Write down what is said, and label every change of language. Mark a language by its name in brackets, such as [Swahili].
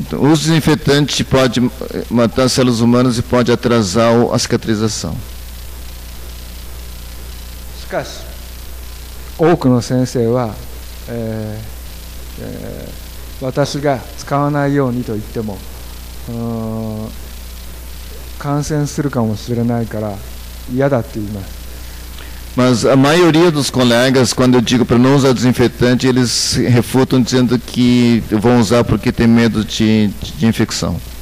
[Portuguese] Os desinfetantes podem matar células humanas e podem atrasar a cicatrização. [Japanese] しかし, 多くの先生は, 私が使わないようにと言っても, 感染するかもしれないから, [Portuguese] Mas a maioria dos colegas, quando eu digo para não usar desinfetante, eles refutam dizendo que vão usar porque tem medo de infecção.